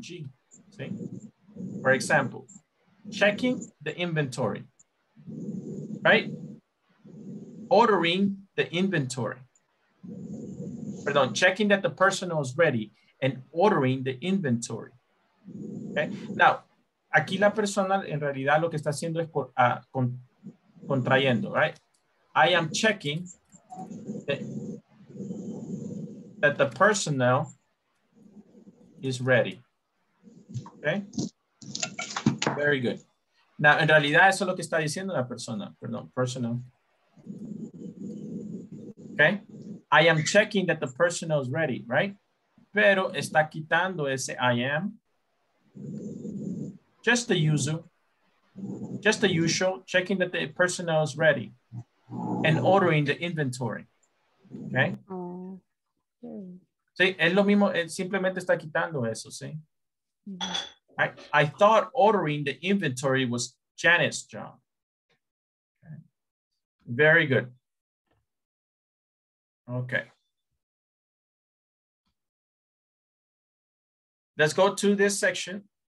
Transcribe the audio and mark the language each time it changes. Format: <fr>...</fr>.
<en>¿Sí? For example, checking the inventory. Right? Ordering the inventory. Perdón, checking that the personnel is ready and ordering the inventory. Okay.</en> <es>Now, aquí la persona en realidad lo que está haciendo es contrayendo, right?</es> <en>I am checking that the personnel is ready. Okay? Very good.</en> <es>Now, en realidad eso es lo que está diciendo la persona, perdón, personnel.</es> <en>Okay? I am checking that the personnel is ready, right?</en> <es>Pero está quitando ese</es> <en>I am. Just the usual, checking that the personnel is ready and ordering the inventory. Okay.</en> <es>Sí, es lo mismo, simplemente está quitando eso, ¿sí?</es> <en>I thought ordering the inventory was Janet's job. Okay. Very good. Okay. Let's go to this section.</en>